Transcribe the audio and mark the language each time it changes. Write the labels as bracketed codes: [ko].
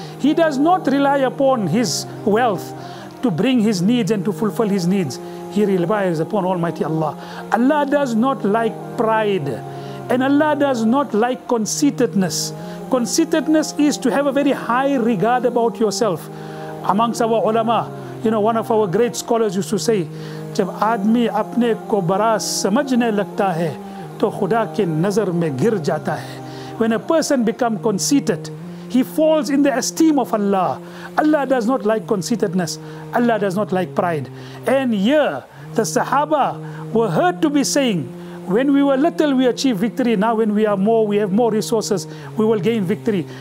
[en] He does not rely upon his wealth to bring his needs and to fulfill his needs. He relies upon Almighty Allah. Allah does not like pride, and Allah does not like conceitedness. Conceitedness is to have a very high regard about yourself. Amongst our ulama, you know, one of our great scholars used to say, [ur] جب آدمی اپنے کو برا سمجھنے لگتا ہے تو خدا کی نظر میں گر جاتا ہے. [en] When a person becomes conceited, he falls in the esteem of Allah. Allah does not like conceitedness. Allah does not like pride. And here, the Sahaba were heard to be saying, when we were little, we achieved victory. Now when we are more, we have more resources, we will gain victory.